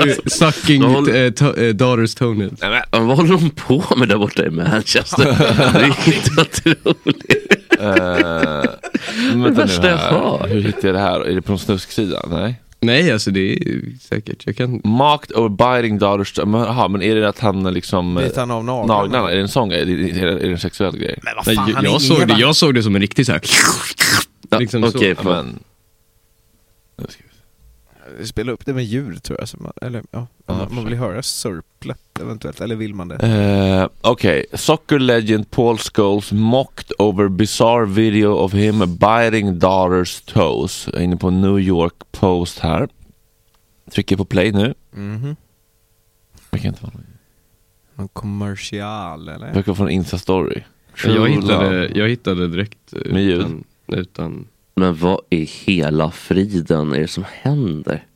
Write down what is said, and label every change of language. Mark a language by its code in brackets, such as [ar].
[en] Sucking daughter's toenails. [sv] Vad håller hon på med där borta i Manchester? Det är helt otroligt. Värsta jag har. Hur hittar jag det här? Är det på någon snusk sida? Nej. Nej, alltså det är säkert. Jag kan... [en] Marked or biting daughters. [sv] Men är det att han liksom... Bitt han av naglarna? Är det en sån grej? Är det en sexuell grej? Men vad fan, han är... Jag såg det som en riktig så här... Liksom okej, okay, men vi spela upp det med djur tror jag, man vill höra surplet eventuellt, eller vill man det? Okej, okay. [en] Soccer legend Paul Scholes mocked over bizarre video of him biting daughter's toes. [sv] Jag är inne på New York Post här. Trycker på play nu. Mhm. Jag kan inte vara någon kommersial eller? Jag kan få en Insta story. Jag hittade direkt med ljud. Utan. Men vad i hela friden är det som händer?